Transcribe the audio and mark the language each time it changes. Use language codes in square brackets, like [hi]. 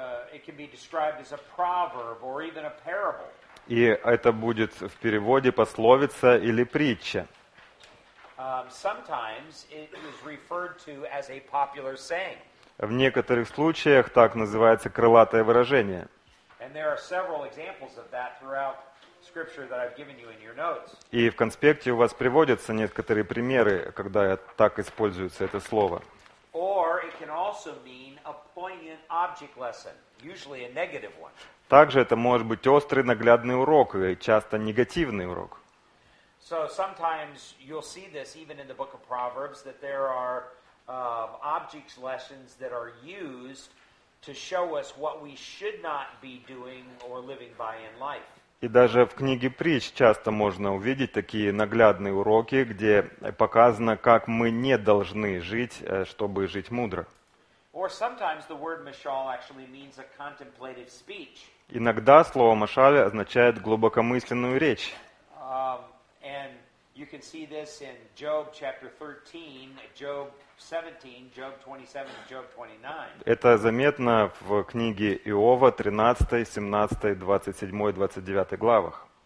[en] It can be described as a proverb or even a parable. [ru] И это будет в переводе пословица или притча. [en] Sometimes it is referred to as a popular saying. [ru] В некоторых случаях так называется крылатое выражение. [en] And there are several examples of that throughout scripture that I've given you in your notes. [ru] И в конспекте у вас приводятся некоторые примеры, когда так используется это слово. [en] Or it can also mean a poignant object lesson. Usually a negative one. [ru] Также это может быть острый наглядный урок, и часто негативный урок. [en] So sometimes you'll see this even in the book of Proverbs that there are object lessons that are used to show us what we should not be doing or living by in life. [ru] И даже в книге притч часто можно увидеть такие наглядные уроки, где показано, как мы не должны жить, чтобы жить мудро. [en] Or sometimes the word mashal actually means a contemplative speech. [ru] Иногда слово машаль означает глубокомысленную речь. [en] And you can see this in Job chapter 13, Job 17, Job 27, Job 29. [ru] Это заметно в книге Иова 13, 17, 27, 29 главах.